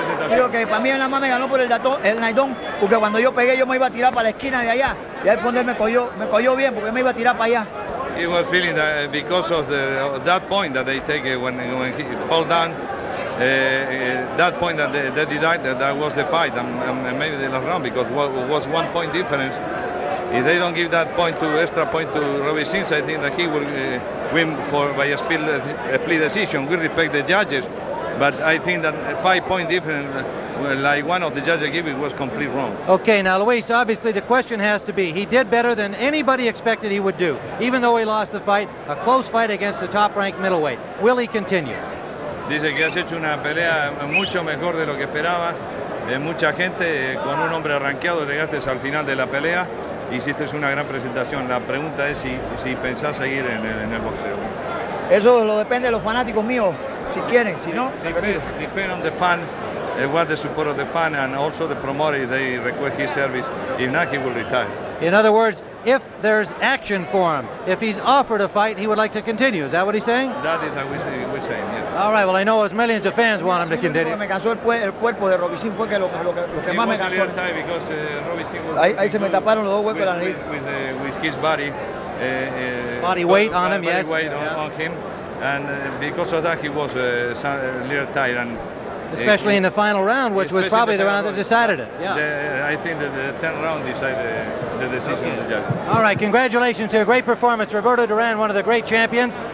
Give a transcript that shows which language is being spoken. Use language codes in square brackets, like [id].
[es] Digo que para mí la mamá me ganó por el naidón, porque cuando yo pegué yo me iba a tirar para la esquina de allá, y ahí fue me cogió bien porque me iba a tirar para allá. [en] He was feeling that because of that point that they take when he fall down, that point that they decide that was the fight and maybe they lost round because it was 1 point difference. If they don't give that point to extra point to Robbie Sims, I think that he will win by a split decision. We respect the judges, but I think that 5 point difference, like one of the judges gave it, was completely wrong. Okay, now Luis, obviously the question has to be, he did better than anybody expected he would do, even though he lost the fight, a close fight against the top-ranked middleweight. Will he continue? [es] Dice que has hecho una pelea mucho mejor de lo que esperabas, de mucha gente, con un hombre arranqueado, llegaste al final de la pelea, hiciste una gran presentación. La pregunta es si pensás seguir en el boxeo. Eso lo depende de los fanáticos míos, si quieren, si no. [en] Depend on the fan. It was the support of the fan and also the promoter, they request his service. If not, he will retire. In other words, if there's action for him, if he's offered a fight, he would like to continue. Is that what he's saying? That is what we're saying, yes. All right, well, I know as millions of fans want him to continue. [es] Me cansó el cuerpo de Robbie Sims, fue que lo que más me cansó. [en] Because Robbie Sims was... [es] Ahí se me taparon los dos huecos de la nariz. [en] With his body. Body weight on him, yes. Body weight on him. And because of that, he was a little tired. especially in the final round, which was probably the round that decided it. Yeah. I think that the 10th round decided the decision of the judge. All right, congratulations to a great performance. Roberto Duran, one of the great champions.